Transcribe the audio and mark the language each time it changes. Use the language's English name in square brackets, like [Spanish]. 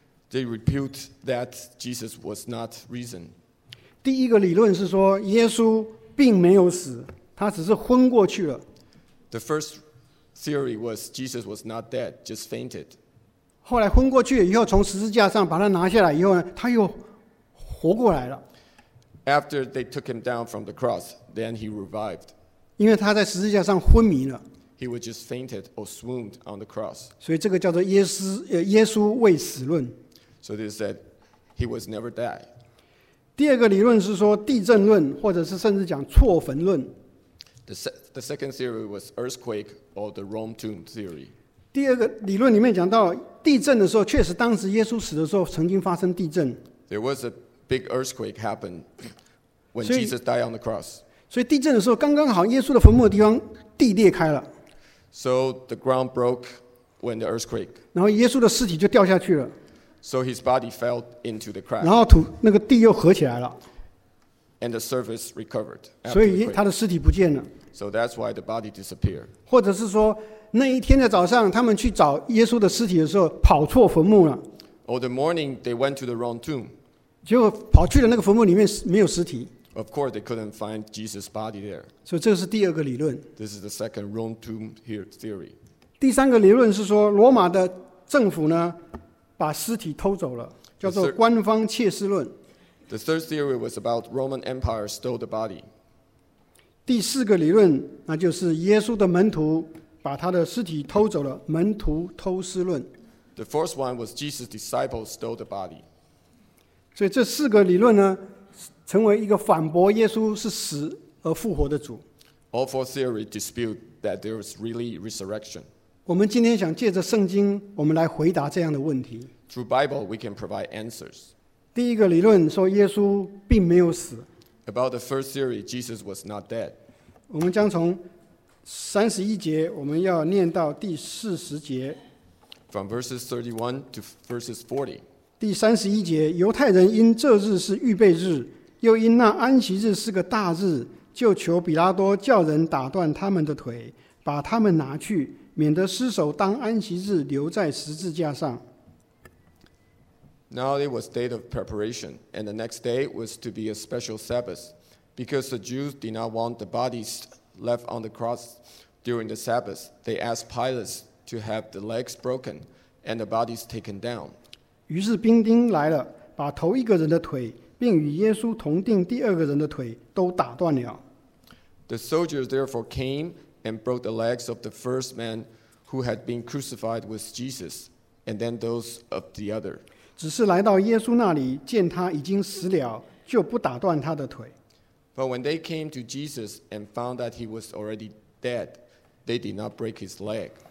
[English] They repute that Jesus was not risen. [Chinese] 第一个理论是说，耶稣并没有死，他只是昏过去了。 [English] The first theory was Jesus was not dead, just fainted. [Chinese] 后来昏过去以后，从十字架上把他拿下来以后呢，他又活过来了。 [English] After they took him down from the cross, then he revived. [Chinese] 因为他在十字架上昏迷了。 [English] He was just fainted or swooned on the cross. [Chinese] 所以这个叫做耶稣未死论。 [English] So they said he was never dead. [Chinese] 第二个理论是说地震论，或者是甚至讲错坟论。 [English] The second theory was earthquake or the Rome tomb theory. [Chinese] 第二个理论里面讲到地震的时候，确实当时耶稣死的时候曾经发生地震。 [English] There was a big earthquake happened when Jesus died on the cross. [Chinese] 所以地震的时候，刚刚好耶稣的坟墓的地方地裂开了。 [English] So the ground broke when the earthquake. [Chinese] 然后耶稣的尸体就掉下去了。 [English] So his body fell into the crack. [Chinese] 然后土那个地又合起来了。 [English] And the surface recovered. [Chinese] 所以他的尸体不见了。 [English] So that's why the body disappeared. [Chinese] 或者是说那一天的早上，他们去找耶稣的尸体的时候，跑错坟墓了。 [English] Or the morning they went to the wrong tomb. [Chinese] 结果跑去的那个坟墓里面没有尸体。 [English] Of course, they couldn't find Jesus' body there. [Chinese] 所以这是第二个理论。 [English] This is the second Rome tomb theory. [Chinese] 第三个理论是说，罗马的政府呢，把尸体偷走了，叫做官方窃尸论。 [English] The third theory was about Roman Empire stole the body. [Chinese] 第四个理论，那就是耶稣的门徒把他的尸体偷走了，门徒偷尸论。 [English] The fourth one was Jesus' disciples stole the body. [Chinese] 所以这四个理论呢，成为一个反驳耶稣是死而复活的主。 [English] All four theories dispute that there is really resurrection. [Chinese] 我们今天想借着圣经，我们来回答这样的问题。 [English] Through Bible, we can provide answers. [Chinese] 第一个理论说耶稣并没有死。 [English] About the first theory, Jesus was not dead. [Chinese] 我们将从三十一节，我们要念到第四十节。 [English] From verses 31 to verses 40. [Chinese] 第三十一节，犹太人因这日是预备日，又因那安息日是个大日，就求比拉多叫人打断他们的腿，把他们拿去，免得尸首当安息日留在十字架上。 [English] Now it was day of preparation, and the next day was to be a special Sabbath, because the Jews did not want the bodies left on the cross during the Sabbath. They asked Pilate to have the legs broken and the bodies taken down. [Chinese] 于是兵丁来了，把头一个人的腿并与耶稣同钉第二个人的腿都打断了。 [English] The soldiers therefore came and broke the legs of the first man who had been crucified with Jesus, and then those of the other. [Chinese] 只是来到耶稣那里，见他已经死了，就不打断他的腿。 [English] But when they came to Jesus and found that he was already dead, they did not break his leg.